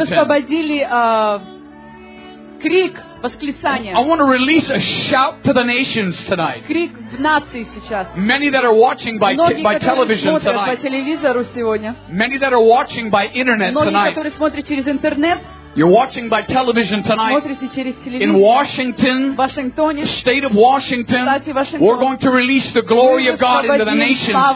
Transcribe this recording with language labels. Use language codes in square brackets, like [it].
[ru] Я хочу, чтобы вы освободили крик восклицания. [en] I want to release a shout to the nations tonight. [ru] Крик в нации сейчас. [en] Many that are watching by television tonight. [ru] Многие, которые смотрят по телевизору сегодня. [en] Many that are watching by internet tonight. [ru] Многие, которые смотрят через интернет. [en] You're watching by television tonight. [ru] Смотрите через телевизор. [en] In Washington. [ru] В Вашингтоне. [en] State of Washington. [ru] Кстати, Вашингтон. [en] We're going to release the glory of God into the nations tonight.